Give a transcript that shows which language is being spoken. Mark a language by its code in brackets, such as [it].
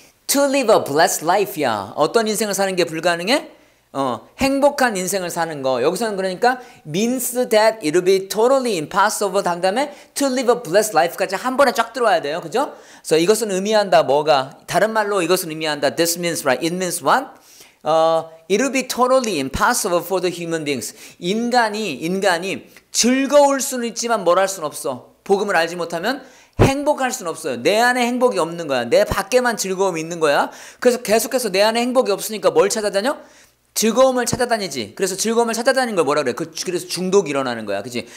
[en] To live a blessed life야. [ko] 어떤 인생을 사는 게 불가능해? 행복한 인생을 사는 거. 여기서는 그러니까 [en] means that it'll be totally impossible [ko] 한 다음에 [en] to live a blessed life [ko] 까지 한 번에 쫙 들어와야 돼요. 그죠? So 이것은 의미한다. 뭐가? 다른 말로 이것은 의미한다. [en] This means right. It means what? It'll be totally impossible for the human beings. [ko] 인간이 즐거울 수는 있지만 뭘 할 수는 없어. 복음을 알지 못하면 행복할 수는 없어요. 내 안에 행복이 없는 거야. 내 밖에만 즐거움이 있는 거야. 그래서 계속해서 내 안에 행복이 없으니까 뭘 찾아다녀? 즐거움을 찾아다니지. 그래서 즐거움을 찾아다니는 걸 뭐라 그래? 그래서 중독이 일어나는 거야. 그치?